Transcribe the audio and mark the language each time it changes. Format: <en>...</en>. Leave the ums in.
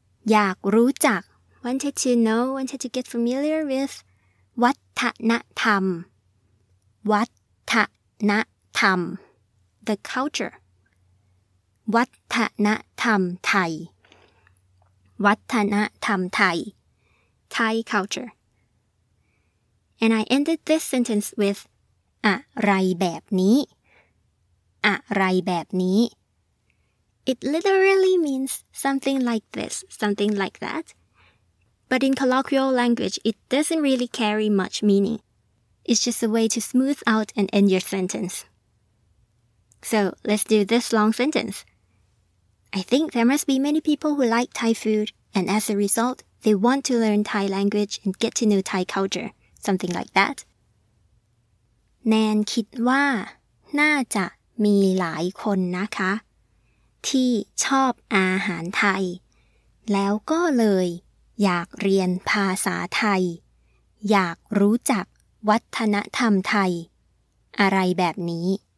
<th>อยากรู้จัก</th> <en>wanted to know wanted to get familiar with</en> <th>วัฒนธรรม วัฒนธรรม</th> <en>the culture</en> <th>วัฒนธรรมไทย วัฒนธรรมไทย</th> <en>Thai culture and I ended this sentence with</en> <th>อะไรแบบนี้ อะไรแบบนี้</th> <en>It literally means something like this, something like that. But in colloquial language, it doesn't really carry much meaning. It's just a way to smooth out and end your sentence. So let's do this long sentence. I think there must be many people who like Thai food, and as a result, they want to learn Thai language and get to know Thai culture, something like that.</en> <th>แนนคิดว่า น่าจะมีหลายคนนะคะ ที่ชอบอาหารไทย แล้วก็เลย อยากเรียนภาษาไทย อยากรู้จักวัฒนธรรมไทย อะไรแบบนี้</th>